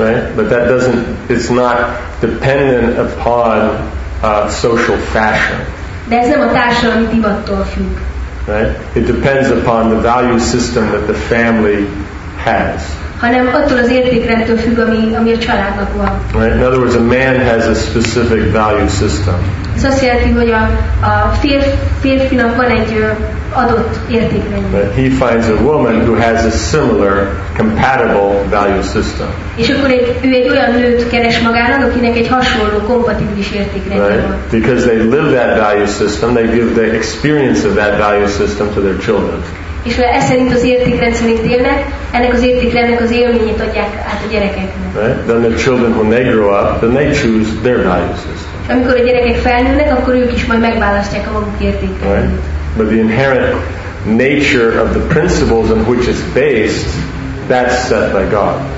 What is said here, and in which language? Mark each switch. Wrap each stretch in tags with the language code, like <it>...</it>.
<en>Right, but that doesn't, it's not dependent upon social fashion.</en> <hu>De ez nem a társadalmi divattól függ.</hu> <en>Right, it depends upon the value system that the family has.</en> <hu>Hanem attól az értékrendtől függ, ami a családnak van.</hu> <en>Right? In other words, a man has a specific value system.</en> <hu>Ez azt jelenti, hogy a férfinak van egy adott értékrendje.</hu> <en>But he finds a woman who has a similar, compatible value system.</en> <hu>És akkor ő egy olyan nőt keres magának, akinek egy hasonló, kompatibilis értékrendje</hu> <en>right?</en> <hu>van.</hu> <en>Because they live that value system, they give the experience of that value system to their children.</en> <hu>És mert ez szerint az értékrend szerint élnek, ennek az értékrendnek az élményét adják át a gyerekeknek.</hu> <en>Right? Then the children, when they grow up, then they choose their value system.</en> <hu>Amikor a gyerekek felnőnek, akkor ők is majd megválasztják a maguk értékrendjét.</hu> <en>Right? But the inherent nature of the principles on which it's based, that's set by God.</en>